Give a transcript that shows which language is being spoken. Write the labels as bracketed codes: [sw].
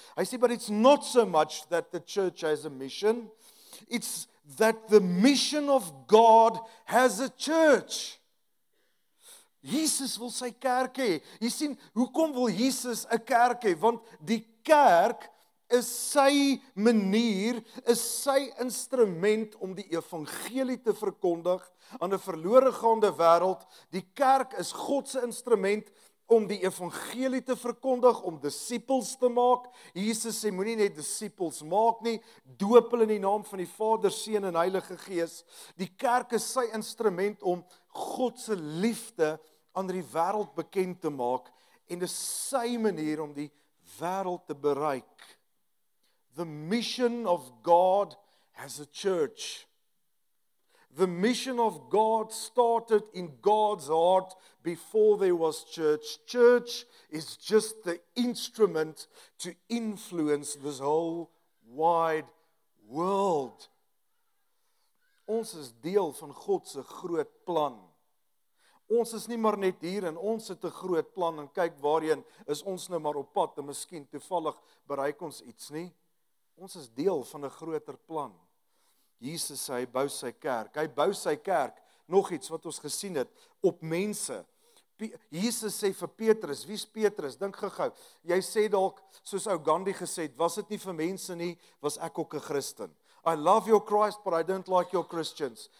[af] Hy sê, [en] but it's not so much that the church has a mission, it's that the mission of God has a church. [af] Jesus wil sy kerk hê. Jy sien, hoekom wil Jesus 'n kerk hê? Want die kerk is sy manier, is sy instrument om die evangelie te verkondig aan 'n verlore gaande wêreld. Die kerk is God se instrument om die evangelie te verkondig, om disippels te maak. Jesus sê, moenie net disippels maak nie, doop hulle in die naam van die Vader, Seun en Heilige Gees. Die kerk is sy instrument om God se liefde aan die wêreld bekend te maak, en is sy manier om die wêreld te bereik. [en] The mission of God has a church. The mission of God started in God's heart before there was church. Church is just the instrument to influence this whole wide world. [af] Ons is deel van God se groot plan. Ons is nie maar net hier en ons het 'n groot plan en kyk waarheen is ons nou maar op pad en miskien toevallig bereik ons iets nie. Ons is deel van 'n groter plan. Jesus sê, hy bou sy kerk. Hy bou sy kerk, nog iets wat ons gesien het, op mense. Jesus sê vir Petrus, wie is Petrus? Dink gegou. Jy sê dalk, soos ou Gandhi gesê het, was het nie vir mense nie, was ek ook 'n Christen. [en] I love your Christ, but I don't like your Christians.